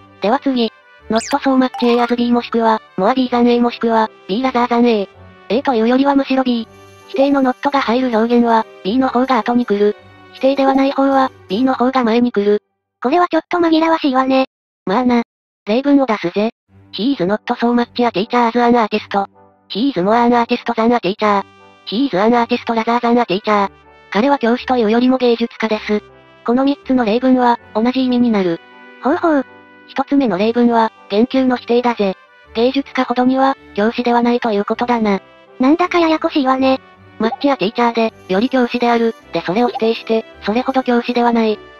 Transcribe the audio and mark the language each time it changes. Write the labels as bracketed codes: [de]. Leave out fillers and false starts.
[ja] では次。 [en] not so much a as b [ja] もしくは、 [en] more b than a [ja] もしくは、 [en] b rather than a。 [ja] a というよりはむしろ b。否定の not が入る表現は、b の方が後に来る。否定ではない方は、b の方が前に来る。これはちょっと紛らわしいわね。まあな。例文を出すぜ。 [en] he is not so much a teacher as an artist。 he is more an artist than a teacher。 he is an artist rather than a teacher。 [ja] 彼は教師というよりも芸術家です。この三つの例文は、同じ意味になる。ほうほう。一つ目の例文は、言及の否定だぜ。芸術家ほどには、教師ではないということだな。なんだかややこしいわね。マッチやティーチャーで、より教師である、でそれを否定して、それほど教師ではない。